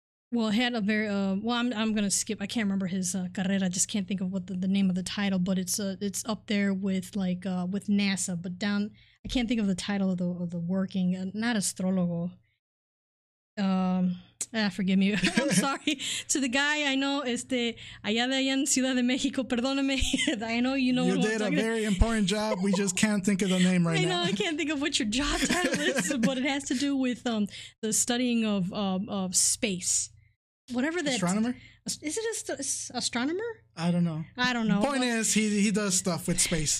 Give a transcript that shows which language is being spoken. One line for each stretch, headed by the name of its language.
English: Well, he had a very I'm gonna skip. I can't remember his carrera. I just can't think of what the name of the title, but it's up there with like with NASA. But down, I can't think of the title of the working. Not astrologo. Forgive me. I'm sorry to the guy I know.
Spanish: Allá de allá en Ciudad de México. Perdóname.
English: I know you know. You did a very important job. We just can't think of the name right I now. I know. I can't think of what your job title is, but it has to do with the studying of space. Whatever that astronomer is, it astronomer? I don't know. Point is, he does stuff with space.